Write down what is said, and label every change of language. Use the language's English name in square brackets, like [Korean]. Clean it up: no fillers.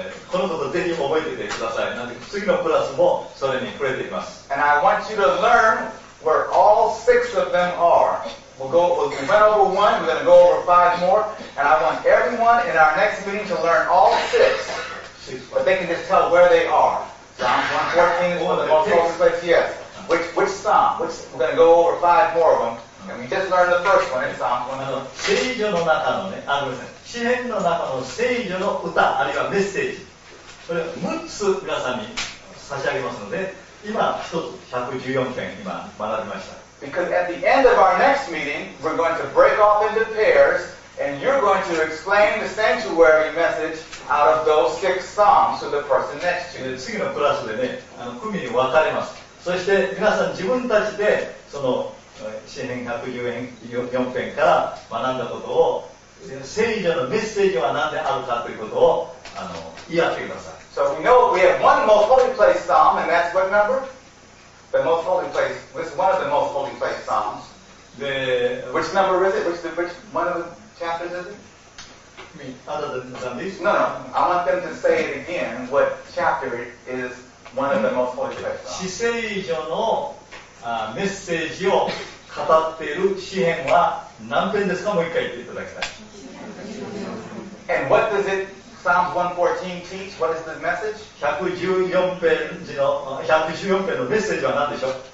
[Japanese] このことぜひ覚えていてください。なんで次のクラスもそれに触れています。 [English] And I want you to learn where all six of them are. We went over one, we're going to go over five more, and I want everyone in our next meeting to learn all six. But they can just tell where they are. Psalms 114 is one of the most holy places, yes. Which psalm? We're going to go over five more of them. And we just learned the first one in Psalms 114. [Japanese] 聖書の中のね、あるんですね。詩篇の中の聖女の歌、あるいはメッセージ、それを6つ皆さんに差し上げますので、今1つ114篇今学びました。 [English] Because at the end of our next meeting, we're going to break off into pairs, and you're going to explain the sanctuary message out of those six songs to the person next to you. [Japanese] 次のクラスでね、組に分かれます。そして皆さん自分たちで、その詩篇114篇から学んだことを、聖女のメッセージは何であるかということを言い合ってください。 [English] So we know we have one most holy place psalm, and that's what number? The most holy place, which one of the most holy place psalms? The which number is it? Which one of the chapters is it? Me, other than this? No. I want them to say it again. What chapter is one of the most holy place psalms? [Japanese] 至聖所のメッセージを語っている詩篇は何篇ですか？もう一回言っていただきたい。 [English] And what does it, Psalms 114 teach? What is the message? [Japanese] 114篇のメッセージは何でしょう？